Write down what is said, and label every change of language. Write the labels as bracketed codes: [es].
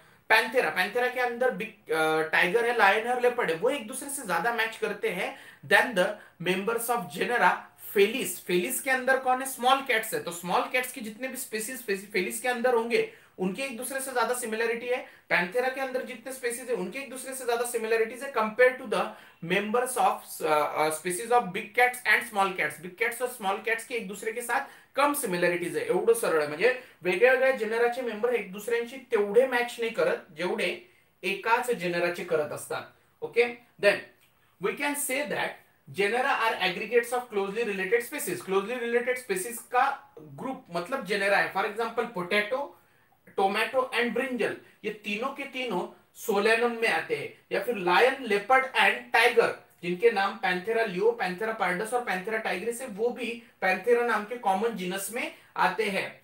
[hi] Panthera, Panthera के अंदर tiger है, लायन है और लेपर्ड है, वो एक दूसरे से ज्यादा मैच करते हैं [en] than the members of genera Felis, [hi] Felis के अंदर कौन है, स्मॉल कैट्स है, तो स्मॉल कैट्स के जितने भी स्पीसीज फेलिस के अंदर होंगे उनके एक दूसरे से ज्यादा सिमिलरिटी है, पैंथेरा के अंदर जितने स्पीसीज है उनके एक दूसरे से ज्यादा सिमिलरिटीज है [en] compare to the members of species of big cats and small cats, [hi] big cats और स्मॉल कैट्स के एक दूसरे के साथ कम सिमिलरिटीज है, [mr] एवढं सरळ आहे। म्हणजे वेगवेगळे जेनेराचे मेंबर एक दुसऱ्यांशी तेवढे मॅच नाही करत जेवढे एकाच जेनेराचे करत असतात okay. [en] then we can say that genera are aggregates of closely related species, [hi] closely related species का ग्रुप मतलब जेनेरा है। For example, potato, tomato and brinjal, ये तीनों के तीनों सोलेनम में आते हैं, या फिर लायन, लेपर्ड एंड टाइगर जिनके नाम पैंथेरा लियो, पैंथेरा पार्डस और पैंथेरा टाइग्रिस है, वो भी पैंथेरा नाम के कॉमन जीनस में आते हैं।